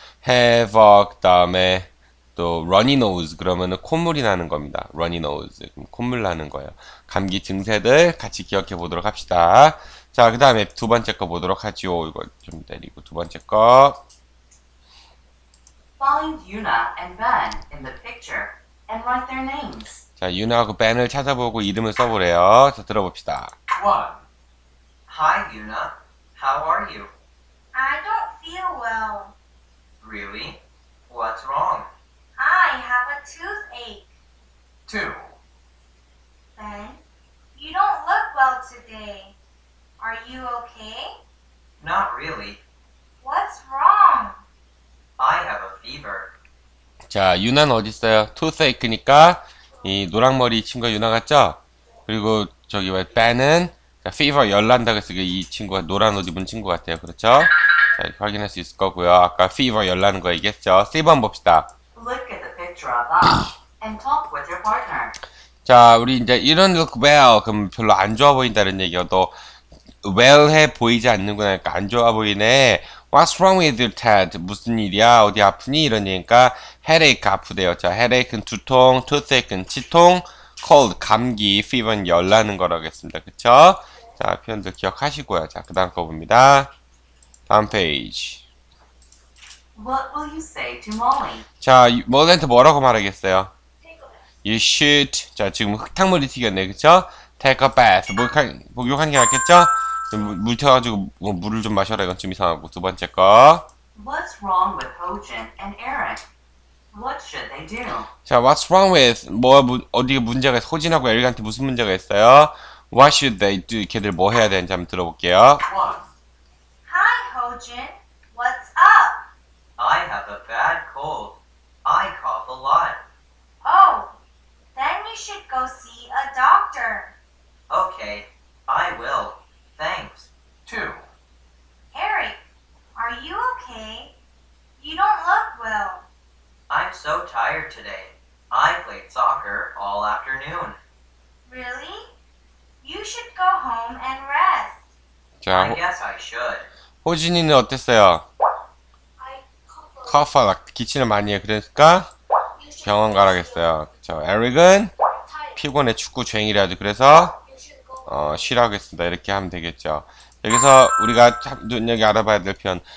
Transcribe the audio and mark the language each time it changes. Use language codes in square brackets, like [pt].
[en] have a [ko] 그 다음에 또 [en] runny nose [ko] 그러면은 콧물이 나는 겁니다. [en] runny nose [ko] 콧물 나는 거예요. 감기 증세들 같이 기억해 보도록 합시다. 자, 그다음에 두 번째 거 보도록 하지요. 이거 좀 내리고 두 번째 거. [en] Find Yuna and Ben in the picture and write their names. [ko] 자, 유나하고 벤을 찾아보고 이름을 써보래요. 자, 들어봅시다. [en] One. Hi, Yuna. How are you? I don't feel well. Really? What's wrong? I have a toothache. Two. Ben, you don't look well today. Are you okay? Not really. What's wrong? I have a fever. [ko] 자, 유나는 어디 있어요? 투세이크니까 이 노랑머리 친구가 유나 같죠? 그리고 저기 왜 빼는 피버 열 난다고 했으니까 이 친구가 노란 옷 입은 친구 같아요, 그렇죠? 자, 이렇게 확인할 수 있을 거고요. 아까 피버 열 나는 거 얘기했죠? 3번 봅시다. [en] Look at the picture above and talk with your partner. [ko] 자, 우리 이제 [en] you don't look well [ko] 그럼 별로 안 좋아 보인다는 얘기여 너 well해 보이지 않는구나 그러니까 안 좋아 보이네. [en] What's wrong with you, Ted? [ko] 무슨 일이야? 어디 아프니? 이런 얘기니까 headache 아프대요. 자, headache는 두통, toothache는 치통, cold 감기, fever는 열 나는 거라고 했습니다. 그쵸? 자, 표현들 기억하시고요. 자, 그다음 거 봅니다. 다음 페이지. [en] What will you say to Molly? [ko] 자, 멀리한테 뭐라고 말하겠어요? [en] You should. [ko] 자, 지금 흙탕물이 튀겼네, 그쵸? [en] Take a bath. [ko] 목욕하는 게 낫겠죠? 물 튀어가지고 물을 좀 마셔라. 이건 좀 이상하고. 두 번째 거. [en] What's wrong with Hojin and Eric? What should they do? [ko] 자, [en] what's wrong with, [ko] 어디에 문제가 있어? 호진하고 에릭한테 무슨 문제가 있어요? [en] What should they do? [ko] 걔들 뭐 해야 되는지 한번 들어볼게요. [en] Hojin, what's up? I have a bad cold. I cough a lot. Oh, then you should go see a doctor. Okay, I will. Thanks. Two. Eric, are you okay? You don't look well. I'm so tired today. I played soccer all afternoon. Really? You should go home and rest. I guess I should. [ko] 호진이는 어땠어요? cough 기침을 많이 해. 그러니까 병원 가라겠어요. 그쵸. 에릭은 피곤해 축구 쟁이라도 그래서 쉬라고 했습니다. 이렇게 하면 되겠죠. 여기서 우리가 눈여겨 알아봐야 될 표현.